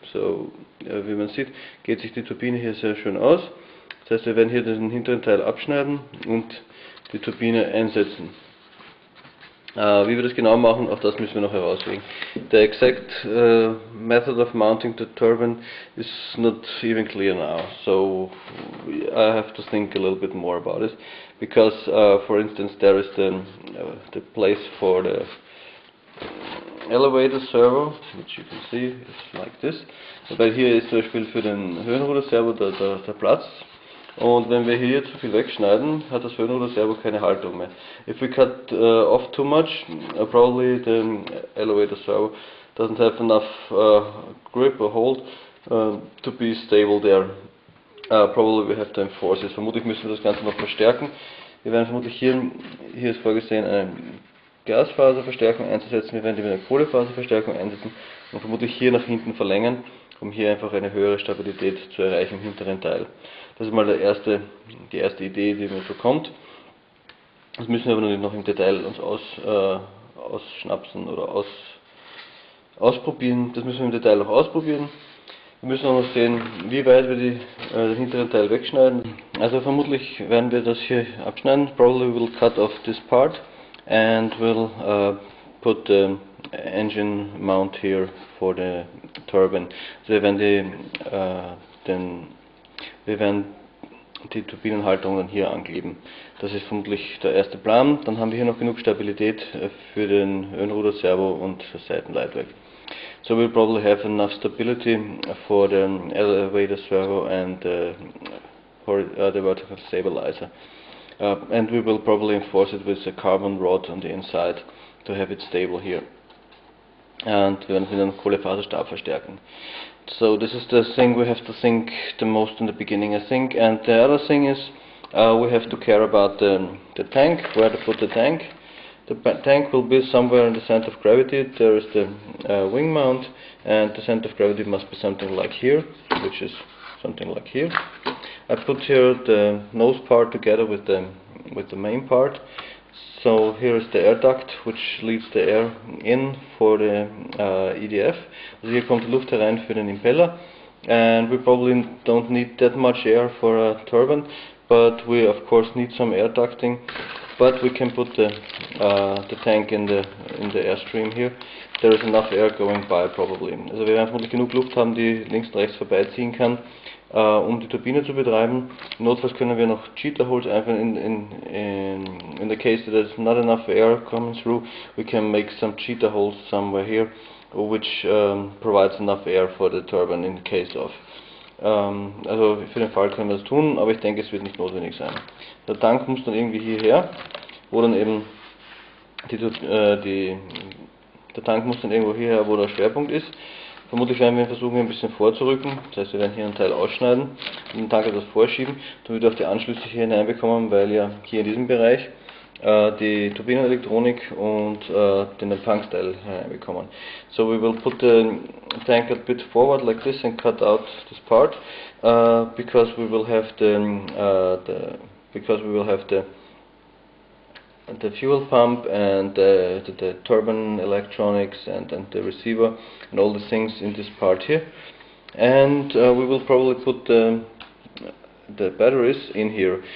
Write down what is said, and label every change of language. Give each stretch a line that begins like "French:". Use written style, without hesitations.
German: So wie man sieht, geht sich die Turbine hier sehr schön aus. Das heißt, wir werden hier den hinteren Teil abschneiden und die Turbine einsetzen. Wie wir das genau machen, auch das müssen wir noch herauslegen.
English: The exact method of mounting the turbine is not even clear now, so I have to think a little bit more about it. Because, for instance, there is the place for the elevator servo, which you can see, it's like this. But here is
German: zum Beispiel für den Höhenruderservo der Platz. Und wenn wir hier zu viel wegschneiden, hat das Höhenruderservo keine Haltung mehr.
English: If we cut off too much, probably the elevator servo doesn't have enough grip or hold to be stable there. Probably we have to enforce it.
German: Vermutlich müssen wir das Ganze noch verstärken. Wir werden vermutlich hier ist vorgesehen, eine Gasfaserverstärkung einzusetzen. Wir werden die mit einer Kohlefaserverstärkung einsetzen und vermutlich hier nach hinten verlängern, um hier einfach eine höhere Stabilität zu erreichen im hinteren Teil. Das ist mal die erste Idee, die mir so kommt. Das müssen wir aber noch im Detail uns ausschnapsen oder ausprobieren. Das müssen wir im Detail noch ausprobieren. Wir müssen auch noch sehen, wie weit wir den hinteren Teil wegschneiden. Also vermutlich werden wir das hier abschneiden.
English: Probably we'll cut off this part and we'll put the engine mount here for the turbine.
German: So wir werden die Turbinenhaltung dann hier ankleben. Das ist vermutlich der erste Plan. Dann haben wir hier noch genug Stabilität für den Höhenruderservo und das Seitenleitwerk.
English: So we'll probably have enough stability for the elevator servo and the vertical stabilizer. And we will probably enforce it with a carbon rod on the inside to have it stable here. And
German: wir werden den Kohlefaserstab verstärken.
English: So this is the thing we have to think the most in the beginning, I think. And the other thing is we have to care about the tank, where to put the tank. The tank will be somewhere in the center of gravity. There is the wing mount, and the center of gravity must be something like here, which is something like here. I put here the nose part together with the main part. So here is the air duct, which leads the air in for the EDF.
German: Also hier kommt Luft herein für den Impeller.
English: And we probably don't need that much air for a turbine, but we of course need some air ducting. But we can put the tank in the airstream here. There is enough air going by probably.
German: Also wir werden vermutlich genug Luft haben, die links und rechts vorbeiziehen kann, um die Turbine zu betreiben. Notfalls können wir noch
English: cheater holes einfach in the case that there's not enough air coming through, we can make some cheater holes somewhere here, which provides enough air for the turbine in case of.
German: Also für den Fall können wir das tun, aber ich denke, es wird nicht notwendig sein. Der Tank muss dann irgendwie hierher, wo dann eben der Tank muss dann irgendwo hierher, wo der Schwerpunkt ist. Vermutlich werden wir versuchen, hier ein bisschen vorzurücken, das heißt, wir werden hier einen Teil ausschneiden und den Tank etwas vorschieben, damit wir auch die Anschlüsse hier hineinbekommen, weil ja hier in diesem Bereich die Turbinenelektronik und den Empfangsteil hineinbekommen.
English: So we will put the tank a bit forward like this and cut out this part, because we will have the fuel pump and the turbine electronics and the receiver and all the things in this part here, and we will probably put the batteries in here.